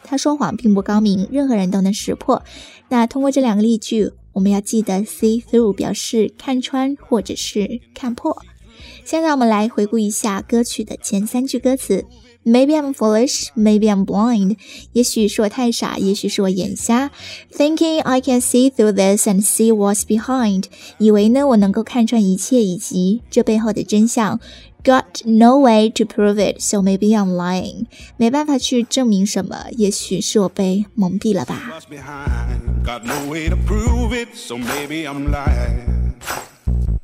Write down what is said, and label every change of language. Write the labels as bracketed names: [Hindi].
[Chinese] 他说谎并不高明，任何人都能识破。那通过这两个例句，我们要记得 see through 表示看穿或者是看破。现在我们来回顾一下歌曲的前三句歌词。 [English] Maybe I'm foolish, maybe I'm blind. [Chinese] 也许是我太傻，也许是我眼瞎。 [English] Thinking I can see through this and see what's behind. [Chinese] 以为呢，我能够看穿一切以及这背后的真相。 [English] Got no way to prove it, so maybe I'm lying. [Chinese] 没办法去证明什么，也许是我被蒙蔽了吧。 [English] Got no way to prove it, so maybe I'm lying.